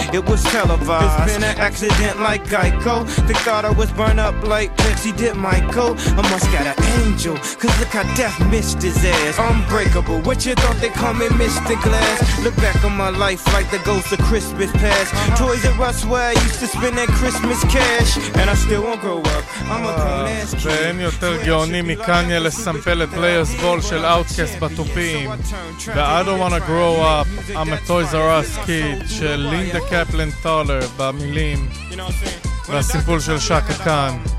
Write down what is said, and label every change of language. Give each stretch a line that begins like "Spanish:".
English: It was televised. It's been an accident like Geico. They thought I was burned up like Pepsi did Michael. I must got an angel, cause look how death missed his ass. Unbreakable, what you thought they call me, Mr. Glass? Look back on my life like the ghost of Christmas past. Toys R Us where I used to spend that Christmas cash. And I still won't grow up.
Hebrew: ואין יותר גאוני מקניה לסמפל את פליירס בול של אאוטקאסט בתופים. ו-
English: I don't wanna grow up, I'm a Toys R Us kid
Hebrew: של לינדה קפלן טולר במילים, והסיפול של שקה קאן.